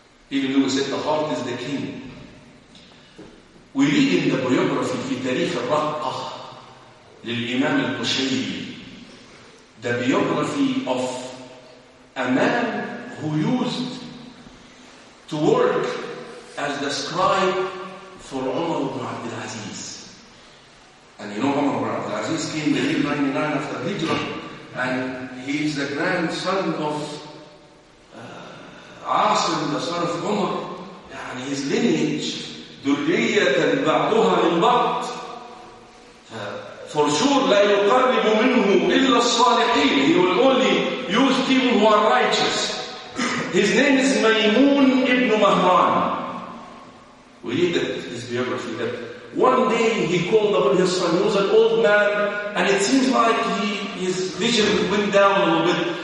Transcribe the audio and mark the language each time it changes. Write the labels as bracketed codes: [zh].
[en] Even though we said the heart is the king. We read in the biography, [ar] في تاريخ الرقة للإمام القشيري, [en] the biography of a man who used to work as the scribe for Umar ibn Abdul Aziz. And you know Umar ibn Abdul Aziz came in 899 after Hijrah, And he is the grandson of Asim, the son of Umar. And his lineage, [ar] ذُرِّيَّةً بَعْضُهَا مِنْ بَعْضٍ. [en] For sure, [ar] لَا يُقَرِّبُ مِنْهُ إِلَّا الصَّالِحِينَ. [en] He will only use people who are righteous. His name is Maymun ibn Mahran. We read that, his biography. That one day he called upon his son. He was an old man, and it seems like his vision went down a little bit.